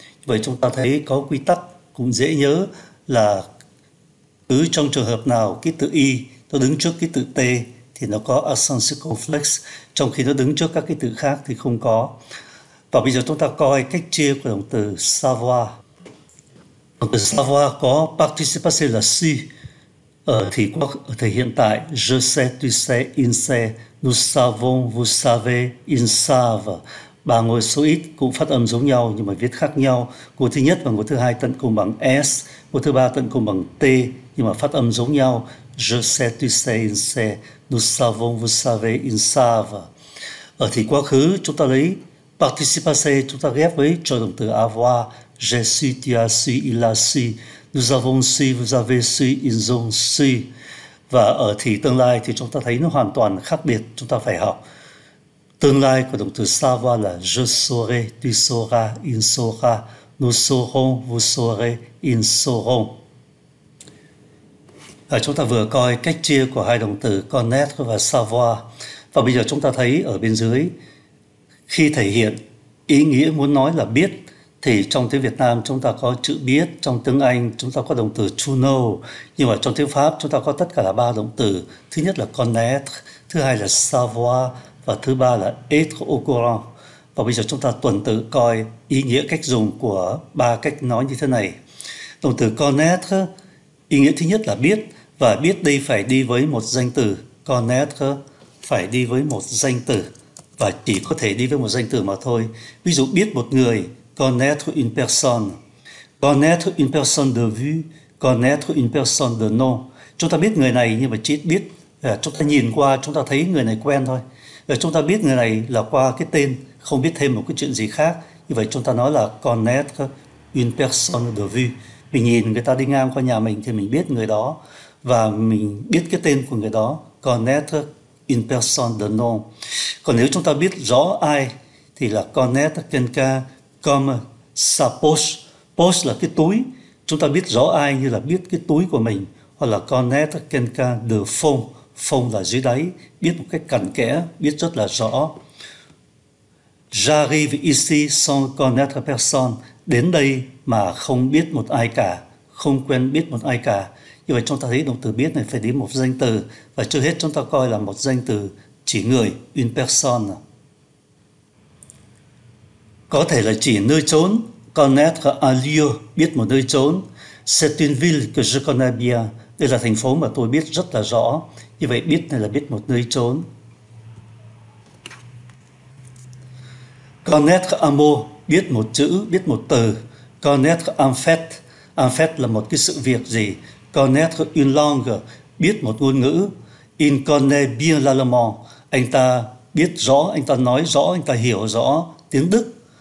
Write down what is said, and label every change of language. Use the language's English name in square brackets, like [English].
[Vietnamese] Vậy chúng ta thấy có quy tắc cũng dễ nhớ là cứ trong trường hợp nào ký tự Y nó đứng trước ký tự T thì nó có accent circonflexe, trong khi nó đứng trước các ký tự khác thì không có. Và bây giờ chúng ta coi cách chia của động từ savoir. Động từ savoir có participe passé là su. Ở thì hiện tại, [French] je sais, tu sais, il sait, nous savons, vous savez, ils savent. [Vietnamese] Ba ngôi số ít cũng phát âm giống nhau nhưng mà viết khác nhau. Ngôi thứ nhất và ngôi thứ hai tận cùng bằng S, ngôi thứ ba tận cùng bằng T nhưng mà phát âm giống nhau. [French] Je sais, tu sais, il sait, nous savons, vous savez, ils savent. [Vietnamese] Ở thì quá khứ chúng ta lấy participe passé, chúng ta ghép với trợ động từ avoir. [French] J'ai su, tu as su, il a su. Nous avons su, vous avez su, ils ont su. [Vietnamese] Và ở thì tương lai thì chúng ta thấy nó hoàn toàn khác biệt. Chúng ta phải học tương lai của động từ savoir là [French] je saurai, tu sauras, il saura. Nous saurons, vous saurez, ils sauront. [Vietnamese] Và chúng ta vừa coi cách chia của hai động từ connaître và savoir. Và bây giờ chúng ta thấy ở bên dưới, khi thể hiện ý nghĩa muốn nói là biết, thì trong tiếng Việt Nam chúng ta có chữ biết, trong tiếng Anh chúng ta có động từ to know, nhưng mà trong tiếng Pháp chúng ta có tất cả là ba động từ. Thứ nhất là connaître, thứ hai là savoir và thứ ba là être au courant. Và bây giờ chúng ta tuần tự coi ý nghĩa cách dùng của ba cách nói như thế này. Động từ connaître, ý nghĩa thứ nhất là biết, và biết đây phải đi với một danh từ. Connaître phải đi với một danh từ và chỉ có thể đi với một danh từ mà thôi. Ví dụ biết một người, [French] connaître une personne. Connaître une personne de vue, connaître une personne de nom. [Vietnamese] Chúng ta biết người này nhưng mà chỉ biết, chúng ta nhìn qua chúng ta thấy người này quen thôi. Chúng ta biết người này là qua cái tên, không biết thêm một cái chuyện gì khác. Như vậy chúng ta nói là [French] connaître une personne de vue. [Vietnamese] Mình nhìn người ta đi ngang qua nhà mình thì mình biết người đó và mình biết cái tên của người đó. [French] Connaître une personne de nom. [Vietnamese] Còn nếu chúng ta biết rõ ai thì là [French] connaître quelqu'un comme sa poche. [Vietnamese] Poche là cái túi. Chúng ta biết rõ ai như là biết cái túi của mình. Hoặc là [French] connaître quelqu'un de fond. [Vietnamese] Fond là dưới đáy. Biết một cách cặn kẽ, biết rất là rõ. [French] J'arrive ici sans connaître personne. [Vietnamese] Đến đây mà không biết một ai cả, không quen biết một ai cả. Như vậy chúng ta thấy động từ biết này phải đến một danh từ, và trước hết chúng ta coi là một danh từ chỉ người, une personne. Có thể là chỉ nơi trốn, [French] connaître un lieu, [Vietnamese] biết một nơi trốn. [French] C'est une ville que je connais bien. [Vietnamese] Đây là thành phố mà tôi biết rất là rõ. Như vậy biết này là biết một nơi trốn. [French] Connaître un mot, [Vietnamese] biết một chữ, biết một từ. [French] Connaître un fait [Vietnamese] là một cái sự việc gì. [French] Connaître une langue, [Vietnamese] biết một ngôn ngữ. [French] Il connaît bien l'allemand, [Vietnamese] anh ta biết rõ, anh ta nói rõ, anh ta hiểu rõ tiếng Đức.